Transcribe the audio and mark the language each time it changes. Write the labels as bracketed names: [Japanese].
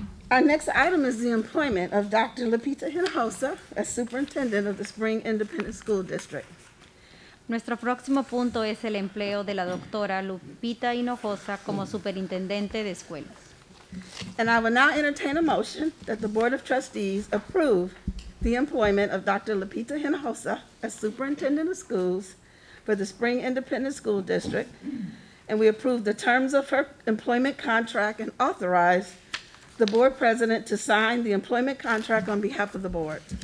[English] Our next item is the employment of Dr. Lupita Hinojosa as Superintendent of the Spring Independent School District. [Spanish] Nuestro próximo punto es el empleo de la doctora Lupita Hinojosa como Superintendente de Escuelas. [English] And I will now entertain a motion that the Board of Trustees approve the employment of Dr. Lupita Hinojosa as Superintendent of Schools for the Spring Independent School District, and we approve the terms of her employment contract and authorize the Board President to sign the employment contract on behalf of the Board.